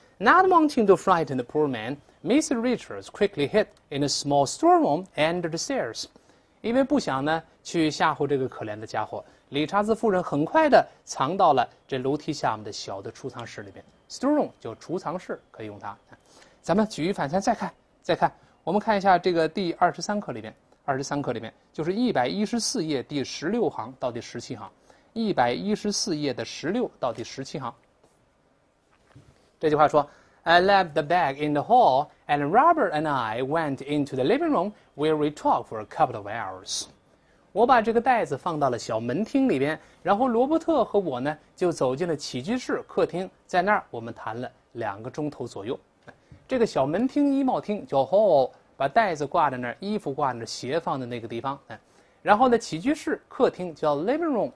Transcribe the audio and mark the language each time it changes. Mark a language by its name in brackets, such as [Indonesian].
[English] Not wanting to frighten the poor man, Mr. Richards quickly hid in a small storeroom under the stairs. [Chinese] 因为不想呢去吓唬这个可怜的家伙，理查兹夫人很快的藏到了这楼梯下面的小的储藏室里面。 Storeroom 就储藏室，可以用它。咱们举一反三，再看，我们看一下这个第23课里面，就是114页第16行到第17行，114页的16到第17行。这句话说 [English] ，I left the bag in the hall, and Robert and I went into the living room where we talked for a couple of hours. [Chinese] 我把这个袋子放到了小门厅里边，然后罗伯特和我呢就走进了起居室客厅，在那儿我们谈了2个钟头左右。这个小门厅衣帽厅叫 hall， 把袋子挂在那儿，衣服挂在那儿，鞋放在那个地方。然后呢，起居室客厅叫 living room。